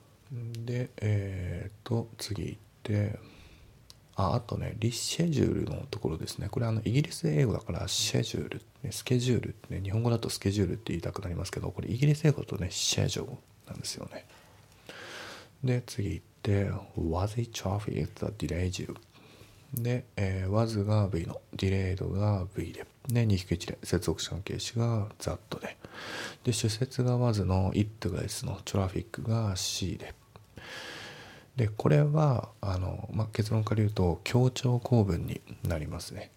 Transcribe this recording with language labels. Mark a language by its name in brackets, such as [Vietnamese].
[Japanese] で次行って、あとねリシェジュールのところですね。これイギリス英語だからシェジュール、ね、スケジュールってね日本語だとスケジュールって言いたくなりますけど、これイギリス英語とねシェジュールなんですよね。 [English] で次行って、 Was it traffic that delayed you? [Japanese] で、was が v の delayed が v で、で2引く1で接続詞関係詞が that で、で主節が was の it が s の traffic が c で、でこれはまあ、結論から言うと協調構文になりますね。